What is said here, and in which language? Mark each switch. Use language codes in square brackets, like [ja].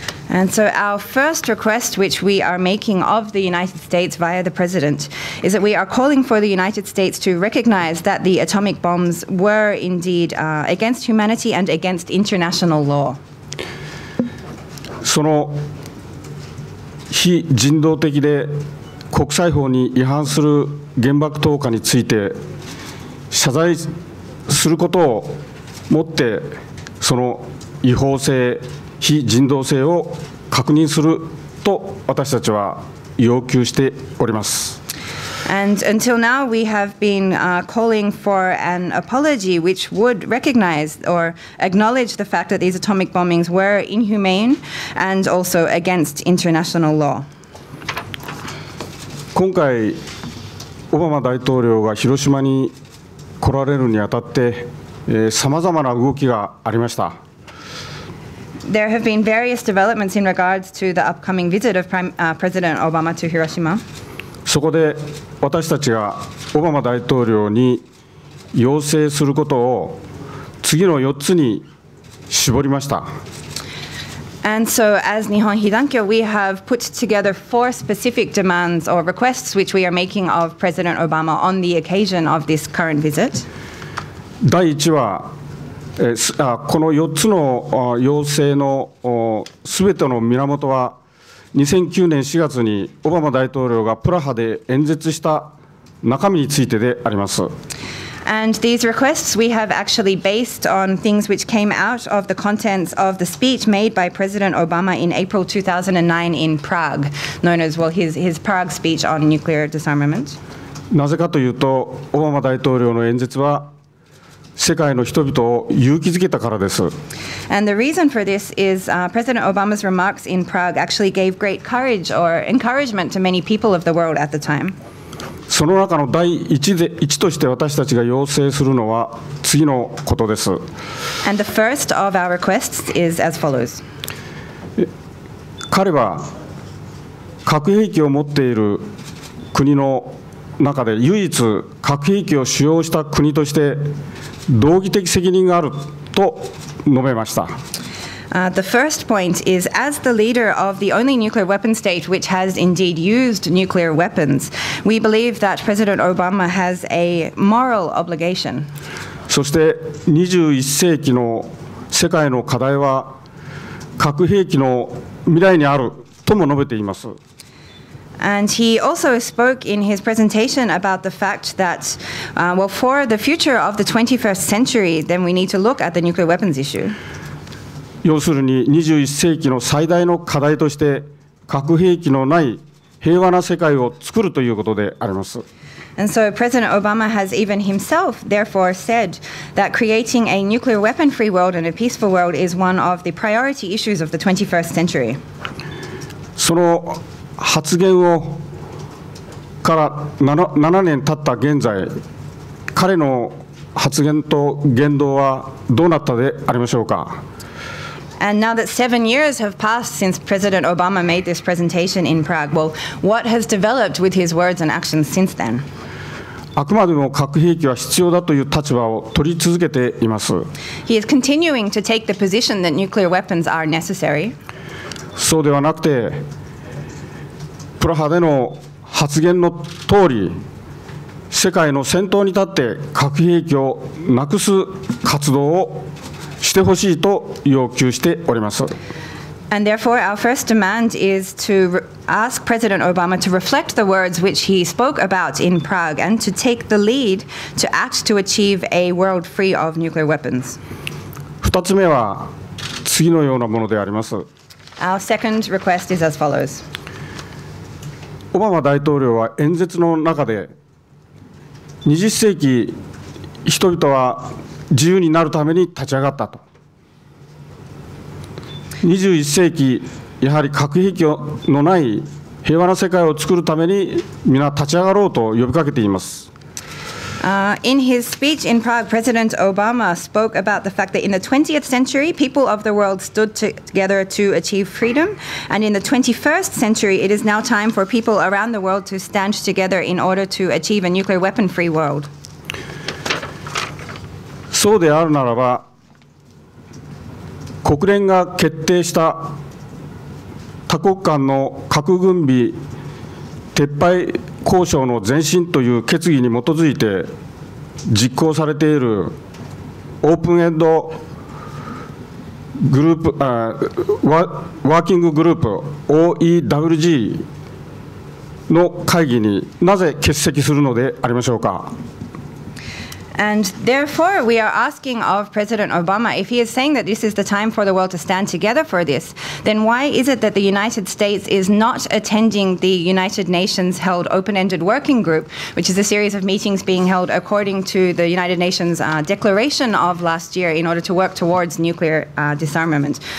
[en] And so our first request, which we are making of the United States via the President, is that we are calling for the United States to recognize that the atomic bombs were indeed against humanity and against international law. [ja] その非人道的で国際法に違反する原爆投下について謝罪することをもってその違法性、非人道性を確認すると私たちは要求しております。 [en] And until now, we have been calling for an apology which would recognize or acknowledge the fact that these atomic bombings were inhumane and also against international law. [ja] 今回オバマ大統領が広島に来られるにあたって、さまざまな動きがありました。 [en] There have been various developments in regards to the upcoming visit of President Obama to Hiroshima. [ja] そこで私たちがオバマ大統領に要請することを次の4つに絞りました。 [en] And so as Nihon Hidankyo, we have put together 4 specific demands or requests which we are making of President Obama on the occasion of this current visit. [ja] 第一は、この4つの要請のすべての源は2009年4月にオバマ大統領がプラハで演説した中身についてであります。 [en] And these requests we have actually based on things which came out of the contents of the speech made by President Obama in April 2009 in Prague, known as, well, his Prague speech on nuclear disarmament. [ja] なぜかというと、オバマ大統領の演説は世界の人々を勇気づけたからです。 [en] And the reason for this is, President Obama's remarks in Prague actually gave great courage or encouragement to many people of the world at the time. [ja] その中の第一として私たちが要請するのは次のことです。 [en] And the first of our requests is as follows. [ja] 彼は核兵器を持っている国の中で唯一核兵器を使用した国として道義的責任があると述べました。 [en] The first point is, as the leader of the only nuclear weapon state which has indeed used nuclear weapons, we believe that President Obama has a moral obligation. [ja] そして21世紀の世界の課題は核兵器の未来にあるとも述べています。 [en] And he also spoke in his presentation about the fact that, well, for the future of the 21st century, then we need to look at the nuclear weapons issue. [ja] 要するに21世紀の最大の課題として核兵器のない平和な世界を作るということであります。 [en] And so President Obama has even himself therefore said that creating a nuclear weapon-free world and a peaceful world is one of the priority issues of the 21st century. [ja] その発言をから7年経った現在、彼の発言と言動はどうなったでありましょうか。 [en] And now that 7 years have passed since President Obama made this presentation in Prague, well, what has developed with his words and actions since then? [ja] あくまでも核兵器は必要だという立場を取り続けています。 [en] He is continuing to take the position that nuclear weapons are necessary. [ja] そうではなくて、プラハでの発言の通り、世界の先頭に立って核兵器をなくす活動をしてほしいと要求しております。 [en] And therefore, our first demand is to ask President Obama to reflect the words which he spoke about in Prague and to take the lead to act to achieve a world free of nuclear weapons. [ja] 二つ目は次のようなものであります。 [en] Our second request is as follows. [ja] オバマ大統領は演説の中で、20世紀人々は自由になるために立ち上がったと。 21世紀、やはり核兵器のない平和な世界を作るために、みんな立ち上がろうと呼びかけています。 [en] In his speech in Prague, President Obama spoke about the fact that in the 20th century, people of the world stood together to achieve freedom, and in the 21st century, it is now time for people around the world to stand together in order to achieve a nuclear weapon-free world. [ja] そうであるならば、国連が決定した多国間の核軍備撤廃交渉の前進という決議に基づいて実行されているオープンエンドグループ、ワーキンググループ OEWG の会議になぜ欠席するのでありましょうか。 [en] And therefore, we are asking of President Obama, if he is saying that this is the time for the world to stand together for this, then why is it that the United States is not attending the United Nations-held open-ended working group, which is a series of meetings being held according to the United Nations declaration of last year in order to work towards nuclear disarmament?